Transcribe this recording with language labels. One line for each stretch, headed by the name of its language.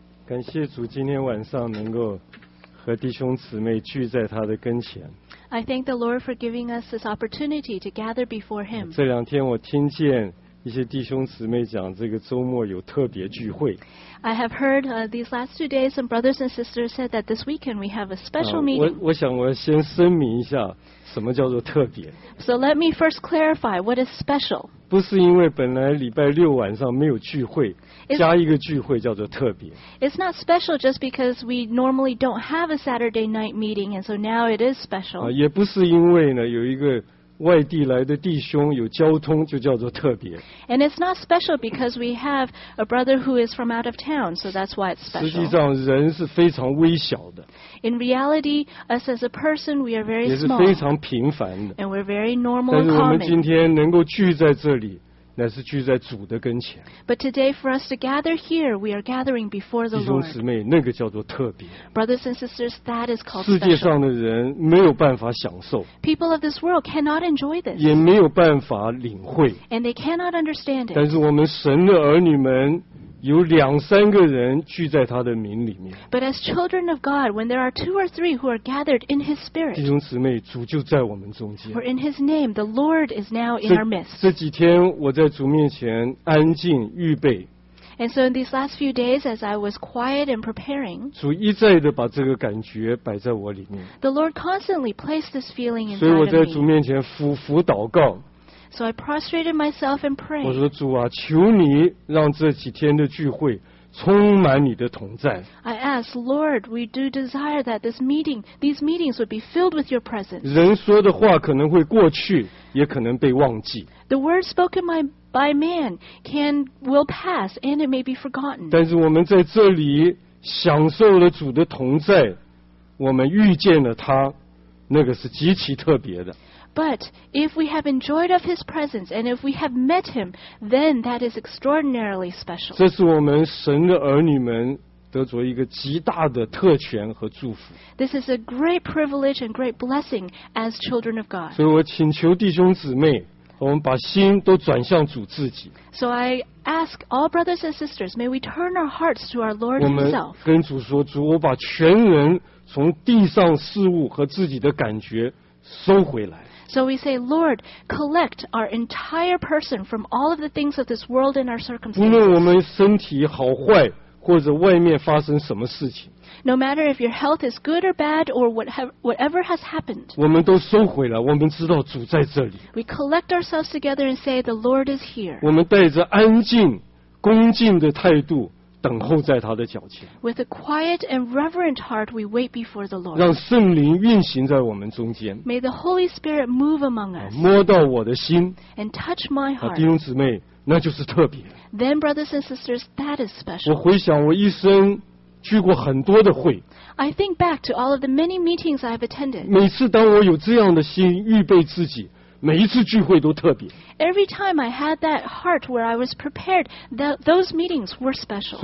Chinese: 感谢主今天晚上能够和弟兄姊妹聚在他的跟前。
English: I thank the Lord for giving us this opportunity to gather before him.
Chinese: 这两天我听见一些弟兄姊妹讲这个周末有特别聚会。
English: I have heard these last 2 days some brothers and sisters said that this weekend we have a special meeting.
Chinese: 我想我先声明一下什么叫做特别。
English: So let me first clarify what is special.
Chinese: 不是因为本来礼拜六晚上没有聚会加一个聚会叫做特别
English: It's not special just because we normally don't have a Saturday night meeting and so now it is special
Chinese: 也不是因为呢有一个外地来的弟兄有交通就叫做特别
English: And it's not special because we have a brother who is from out of town so that's why it's special
Chinese: 实际上人是非常微小的
English: In reality, us as a person, we are very small
Chinese: 也是非常平凡的
English: And we're very normal
Chinese: 但是我们今天能够聚在这里乃是聚在主的跟前
English: But today for us to gather here, we are gathering before the Lord
Chinese: 弟兄姊妹那个叫做特别
English: Brothers and sisters, that is called
Chinese: 世界上的人没有办法享受
English: People of this world cannot enjoy this
Chinese: 也没有办法领会
English: And they cannot understand it
Chinese: 但是我们神的儿女们有两三个人聚在他的名里面
English: But as children of God, when there are two or three who are gathered in his spirit
Chinese: 弟兄姊妹主就在我们中间
English: For in his name, the Lord is now in our midst
Chinese: 这几天我在主面前安静预备
English: And so in these last few days, as I was quiet and preparing
Chinese: 主一再地把这个感觉摆在我里面
English: The Lord constantly placed this feeling inside of me
Chinese: 所以我在主面前俯伏祷告
English: So I prostrated myself and prayed.
Chinese: 我说主啊，求你让这几天的聚会充满你的同在。
English: I asked, Lord, we do desire that this meeting, these meetings would be filled with your presence.
Chinese: 人说的话可能会过去，也可能被忘记。
English: The word spoken by man will pass and it may be forgotten.
Chinese: 但是我们在这里享受了主的同在，我们遇见了他，那个是极其特别的。
English: But if we have enjoyed of his presence and if we have met him, then that is extraordinarily special.
Chinese: 这是我们神的儿女们得着一个极大的特权和祝福。
English: This is a great privilege and great blessing as children of God.
Chinese: 所以我请求弟兄姊妹，我们把心都转向主自己。
English: So I ask all brothers and sisters, may we turn our hearts to our Lord himself.
Chinese: 我们跟主说，主，我把全人从地上事物和自己的感觉收回来。
English: So we say, Lord, collect our entire person from all of the things of this world and our circumstances.
Chinese: 无论我们身体好坏，或者外面发生什么事情。
English: No matter if your health is good or bad or whatever has happened.
Chinese: 我们都收回来，我们知道主在这里。
English: We collect ourselves together and say, the Lord is here.
Chinese: 我们带着安静、恭敬的态度等候在他的脚前。
English: With a quiet and reverent heart, we wait before the Lord.
Chinese: 让圣灵运行在我们中间。
English: May the Holy Spirit move among us.
Chinese: 摸到我的心。
English: And touch my heart.
Chinese: 弟兄姊妹，那就是特别。
English: Then, brothers and sisters, that is special.
Chinese: 我回想我一生去过很多的会。
English: I think back to all of the many meetings I've attended.
Chinese: 每次当我有这样的心预备自己，每一次聚会都特别。
English: Every time I had that heart where I was prepared, those meetings were special.